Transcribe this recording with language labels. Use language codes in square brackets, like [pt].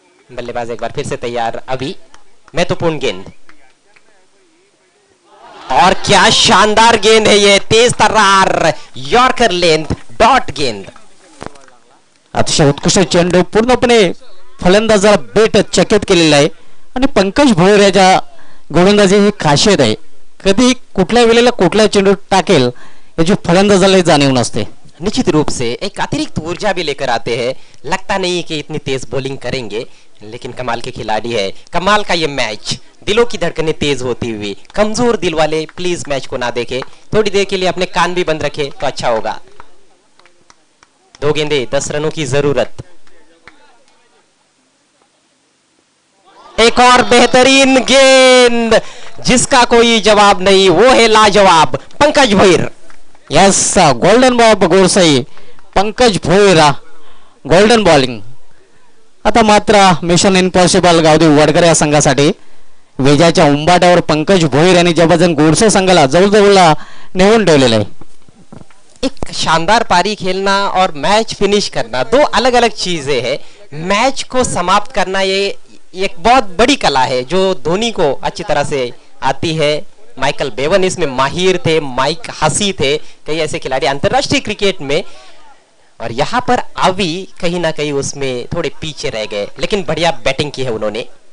[hi] बल्लेबाज एक बार फिर से तैयार, अभी महत्वपूर्ण गेंद, और क्या शानदार गेंद है ये, तेज तर्रार यॉर्कर लेंथ डॉट गेंद। [mr] अतिशय उत्कृष्ट चेंडू, पूर्णपणे फलंदाजा बेट चकित केलेला आहे, आणि पंकज भोयरेच्या गोलंदाजी ही खासियत आहे, कधी कुठल्या वेळेला कुठला चेंडू टाकेल याची फलंदाजाला जाणीव नसते। [hi] निश्चित रूप से एक अतिरिक्त ऊर्जा भी लेकर आते हैं, लगता नहीं कि इतनी तेज बॉलिंग करेंगे, लेकिन कमाल के खिलाड़ी है, कमाल का ये मैच। दिलों की धड़कनें तेज होती हुई, कमजोर दिल वाले प्लीज मैच को ना देखे, थोड़ी देर के लिए अपने कान भी बंद रखे तो अच्छा होगा। 2 गेंदे 10 रनों की जरूरत, एक और बेहतरीन गेंद जिसका कोई जवाब नहीं, वो है लाजवाब Pankaj Bhoir. Yes, golden ball पर गोल सही, पंकज भोईरा गोल्डन बॉलिंग। [mr] आता मात्र मिशन इम्पॉसिबल गावदे वडकर या संघासाठी, विजयाच्या उंबाटावर पंकज भोईर यांनी जबरदस्त गोडसे संघाला जवळजवळ नेऊन ठेवलेले आहे। [hi] एक शानदार पारी खेलना और मैच फिनिश करना दो अलग अलग चीजें है। मैच को समाप्त करना ये एक बहुत बड़ी कला है जो धोनी को अच्छी तरह से आती है। माइकल बेवन इसमें माहिर थे, माइक हसी थे, कई ऐसे खिलाड़ी अंतरराष्ट्रीय क्रिकेट में, और यहाँ पर अभी कहीं ना कहीं उसमें थोड़े पीछे रह गए, लेकिन बढ़िया बैटिंग की है उन्होंने।